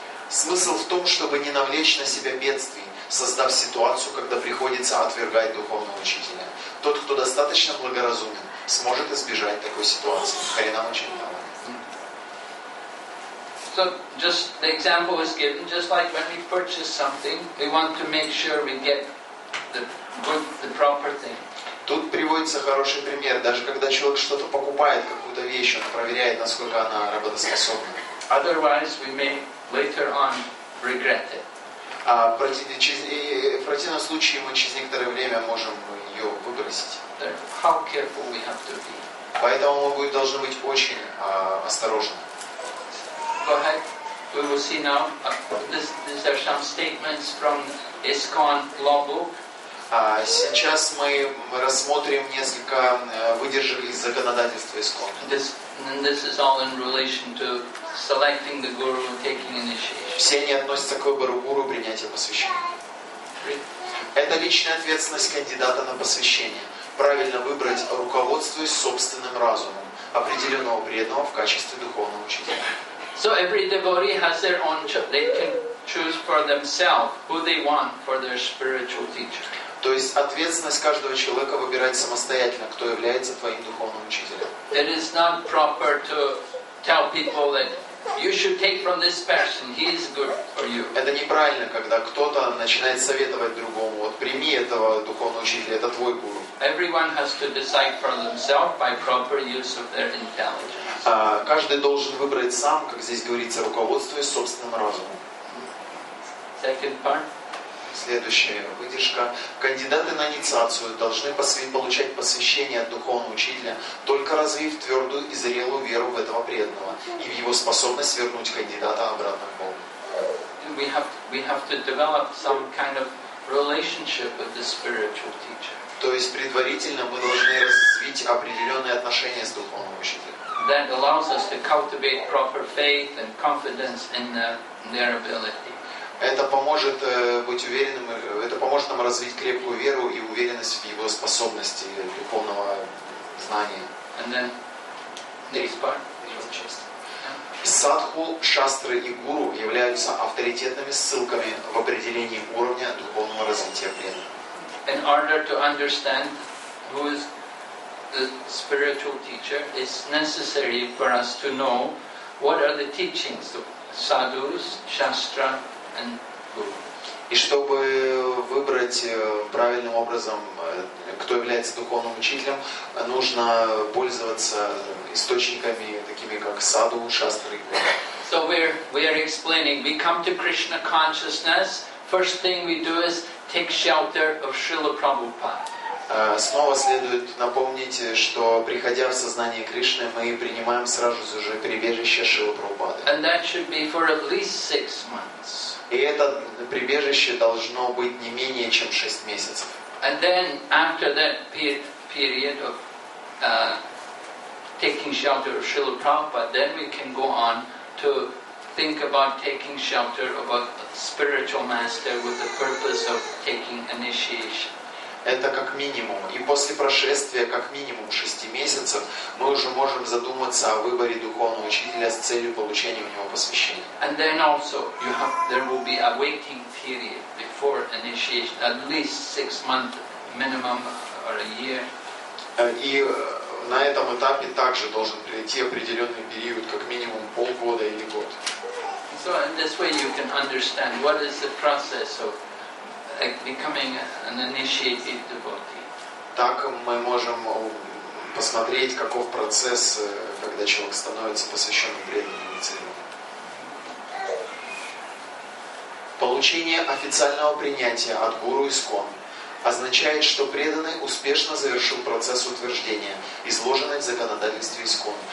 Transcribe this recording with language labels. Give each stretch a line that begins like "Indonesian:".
Russian: Смысл в том, чтобы не навлечь на себя бедствий, создав ситуацию, когда приходится отвергать духовного учителя. Тот, кто достаточно благоразумен, сможет избежать такой ситуации. Харинам Чинтамани.
English: So just the example was given, just like when we purchase something, we want to make sure we get the proper thing.
Russian: Тут приводится хороший пример. Даже когда человек что-то покупает, какую-то вещь, он проверяет, насколько она работоспособна.
English: Otherwise, we may later on regret it.
Russian: А в противном случае мы через некоторое время можем ее выбросить.
English: How careful we have to be.
Russian: Поэтому мы должны быть очень осторожны.
English: Go ahead. We will see now. These are some statements from ISKCON law book.
Russian: Сейчас мы рассмотрим несколько выдержек из законодательства ИСККОН.
English: This is all in relation to selecting the guru and taking initiation.
Russian: Все они относятся к выбору гуру, принятию посвящения. Это личная ответственность кандидата на посвящение. Правильно выбрать руководство из собственным разумом, определенного преданного в качестве духовного учителя.
English: So every devotee has their own choice. They can choose for themselves who they want for their spiritual teacher.
Russian: То есть ответственность каждого человека выбирать самостоятельно, кто является твоим духовным учителем.
English: It is not proper to tell people that you should take from this person. He is good for you.
Russian: Это неправильно, когда кто-то начинает советовать другому: вот прими этого духовного учителя, это твой гуру.
English: Everyone has to decide for themselves by proper use of their intelligence.
Russian: Каждый должен выбрать сам, как здесь говорится, руководство из собственным разумом.
English: Second part.
Russian: Следующая выдержка. Кандидаты на инициацию должны получать посвящение от духовного учителя, только развив твердую и зрелую веру в этого преданного и в его способность вернуть кандидата обратно к Богу.
English: We have to develop some kind of relationship with the spiritual teacher.
Russian: То есть предварительно мы должны развить определенные отношения с духовным учителем.
English: That allows us to cultivate proper faith and confidence in their ability.
Russian: Это поможет быть уверенным, это поможет нам развить крепкую веру и уверенность в его способности духовного знания.
English: And then next part.
Russian: Садху, шастры и гуру являются авторитетными ссылками в определении уровня духовного развития преданных.
English: In order to understand who is the spiritual teacher, it's necessary for us to know what are the teachings of sadhus, shastra, and guru.
Russian: И чтобы выбрать правильным образом, кто является духовным учителем, нужно пользоваться источниками такими как саду, шастры.
English: So we are explaining. We come to Krishna consciousness. First thing we do is take shelter of Srila Prabhupada.
Russian: Снова следует напомнить, что приходя в сознание Кришны, мы принимаем сразу же прибежище Шрилы Прабхупады.
English: And that should be for at least 6 months.
Russian: И это прибежище должно быть не менее чем 6 месяцев.
English: And then after that period of taking shelter of Srila Prabhupada, then we can go on to think about taking shelter of a spiritual master with the purpose of taking initiation.
Russian: Это как минимум. И после прошествия как минимум 6 месяцев мы уже можем задуматься о выборе духовного учителя с целью получения у него посвящения.
English: And then also there will be a waiting period before initiation, at least 6 months minimum or a year.
Russian: И на этом этапе также должен прийти определенный период, как минимум полгода или год.
English: So in this way you can understand what is the process of becoming an initiated devotee.
Russian: Так мы можем посмотреть, каков процесс, когда человек становится посвященным преданным инициированным. Получение официального принятия от гуру ИСККОН означает, что преданный успешно завершил процесс утверждения, изложенный в законодательстве ИСККОН.